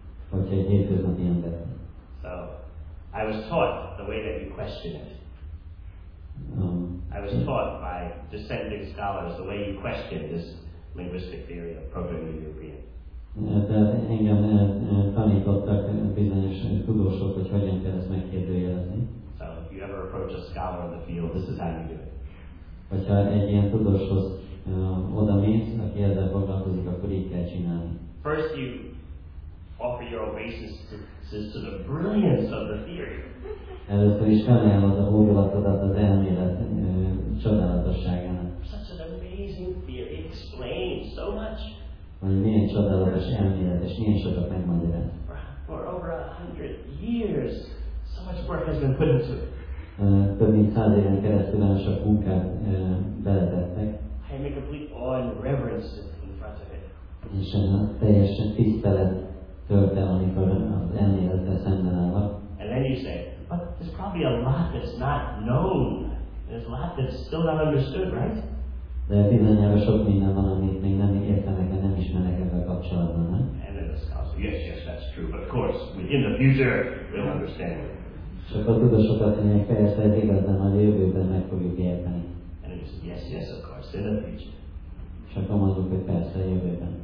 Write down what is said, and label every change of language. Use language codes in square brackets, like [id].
[en] So, I was taught the way that you question it. I was taught by descending scholars the way you question this linguistic theory of Proto-Indo-European. [hu] Tehát engem tanítottak bizonyos tudósok, hogy hogyan kell ezt megkérdőjelezni. [en] So if you ever approach a scholar in the field, this is how you do it. [hu] Hogyha egy ilyen tudóshoz oda mész, aki ezzel foglalkozik, akkor így kell csinálni. [en] First you offer your obeisances to the brilliance of the theory. [hu] Először is felajánlod a hódolatodat az elmélet csodálatosságának. [en] Such an amazing theory, it explains so much. [hu] Hogy milyen csodálatos elmélet, és milyen sokat megmagyarázott. [en] For over 100 years, so much work has been put into it. [hu] Több mint 100 éven keresztül nagyon sok munkát beletettek. [en] I make a complete awe and reverence in front of it. [hu] És teljesen tisztelet tölt el, amikor az elmélettel szemben állok. [en] And then you say, but there's probably a lot that's not known. There's a lot that's still not understood, right? [hu] De bizonyára sok minden van, amit még nem értenek, nem ismerek ebben kapcsolatban, nem? [en] And then the scholars, yes, that's true, but of course, within the future, we'll understand it. [hu] Csak a tudósokat mondják, persze, ez igaz, de majd a jövőben meg fogjuk érteni. [en] And then said, yes, of course, in the future. [hu] Csak mondjuk, hogy persze, a jövőben.